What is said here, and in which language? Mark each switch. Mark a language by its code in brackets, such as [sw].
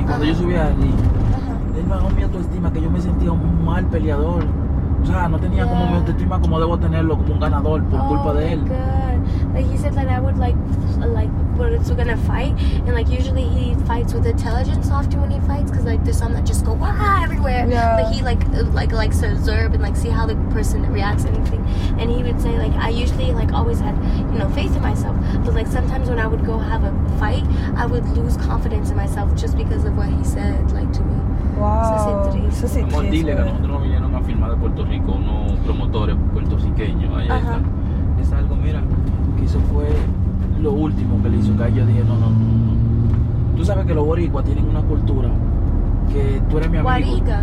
[es] Y cuando yo subí allí, él bajó mi autoestima, que yo me sentía un mal peleador. O sea, no tenía como mi autoestima como debo tenerlo, como un ganador, por culpa de él. [en] Like, he said that I would, like, we're gonna fight, and, like, usually he fights with intelligence often when he fights, because, like, there's some that just go, wah, everywhere. Yeah. But he, like to observe and, like, see how the person reacts and everything. And he would say, like, I usually, like, always had, you know, faith in myself, but, like, sometimes when I would go have a fight, I would lose confidence in myself just because of what he said, like, to me. Wow. So, [es] Como dile, que nosotros nos vinieron a filmar de Puerto Rico unos promotores puertorriqueños. Ahí es algo, mira, que eso fue lo último que le hizo caer. Yo dije, no. Tú sabes que los boricuas tienen una cultura que tú eres mi amigo. Guariga.